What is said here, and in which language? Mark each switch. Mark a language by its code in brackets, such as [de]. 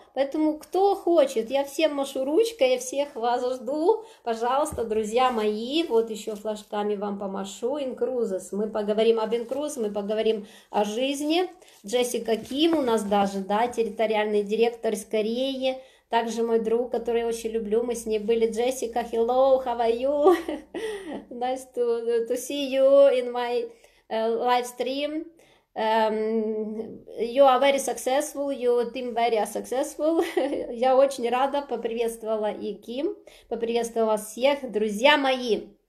[ru] Поэтому кто хочет, я всем машу ручкой, я всех вас жду. Пожалуйста, друзья мои, вот еще флажками вам помашу. InCruises, мы поговорим об InCruises, мы поговорим о жизни. Джессика Ким у нас даже, да, территориальный директор из Кореи. Также мой друг, который я очень люблю, мы с ней были. [en] Джессика, hello, how are you? Nice to see you in my live stream. You are very successful, your team very successful. [ru] Я очень рада, поприветствовала и Ким, поприветствовала всех, друзья мои.